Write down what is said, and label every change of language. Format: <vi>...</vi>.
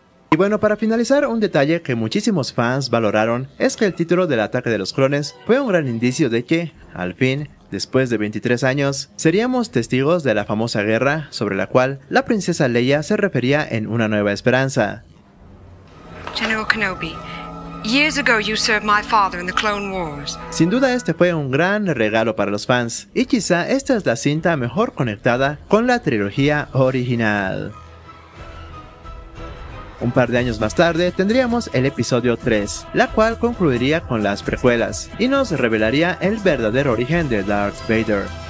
<es>Y bueno, para finalizar, un detalle que muchísimos fans valoraron es que el título del Ataque de los Clones fue un gran indicio de que, al fin, después de 23 años, seríamos testigos de la famosa guerra sobre la cual la princesa Leia se refería en Una Nueva Esperanza.</es> <en>General Kenobi, years ago you served my father in the Clone Wars.</en> <es>Sin duda este fue un gran regalo para los fans, y quizá esta es la cinta mejor conectada con la trilogía original. Un par de años más tarde tendríamos el episodio 3, la cual concluiría con las precuelas, y nos revelaría el verdadero origen de Darth Vader.</es>